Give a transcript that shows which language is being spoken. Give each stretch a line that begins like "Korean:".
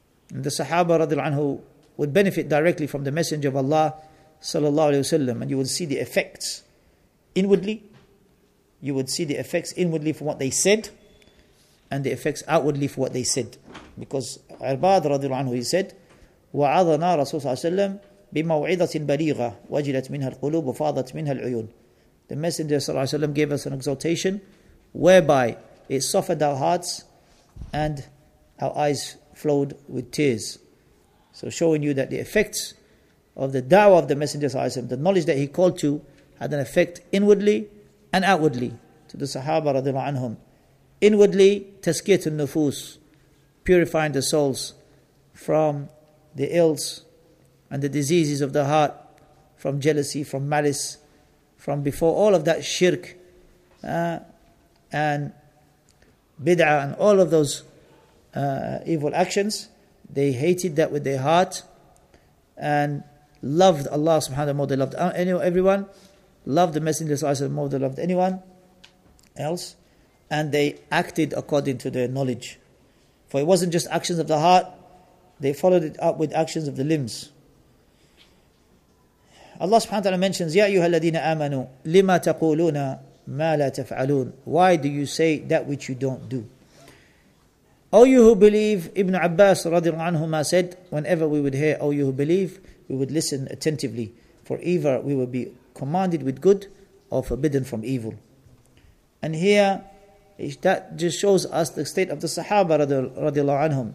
English: And the Sahaba radiallahu anhu would benefit directly from the Messenger of Allah sallallahu alayhi wasallam, and you would see the effects inwardly. You would see the effects inwardly from what they said, and the effects outwardly for what they said. Because Irbad radiallahu anhu, he said,
Arabic: وَعَظَنَا رَسُولُ صَلَّى اللَّهُ عَلَيْهِ وَسَلَّمَ بِمَوْعِظَةٍ بَلِيغَةٍ وَجِلَتْ مِنْهَا الْقُلُوبُ وَفَاضَتْ مِنْهَا الْعُيُونَ.
English: The Messenger صلى الله عليه وسلم gave us an exhortation whereby it softened our hearts and our eyes flowed with tears. So showing you that the effects of the da'wah of the Messenger صلى الله عليه وسلم, the knowledge that he called to, had an effect inwardly and outwardly to the Sahaba رضي الله عنهم. Inwardly,
Arabic: تَسْكِيَةُ النُّفُوسِ,
English: purifying the souls from the ills and the diseases of the heart, from jealousy, from malice, from before all of that shirk and bid'ah and all of those evil actions. They hated that with their heart and loved Allah subhanahu wa ta'ala more than loved everyone, loved the Messenger sallallahu alaihi wasallam more than loved anyone else, and they acted according to their knowledge. For it wasn't just actions of the heart, they followed it up with actions of the limbs. Allah subhanahu wa ta'ala mentions,
Arabic: يَا أَيُّهَا الَّذِينَ آمَنُوا لِمَا تَقُولُونَ مَا لَا تَفْعَلُونَ.
English: Why do you say that which you don't do? O you who believe, Ibn Abbas radiallahu anhuma said, whenever we would hear, O you who believe, we would listen attentively, for either we would be commanded with good or forbidden from evil. And here, that just shows us the state of the Sahaba radiallahu anhum.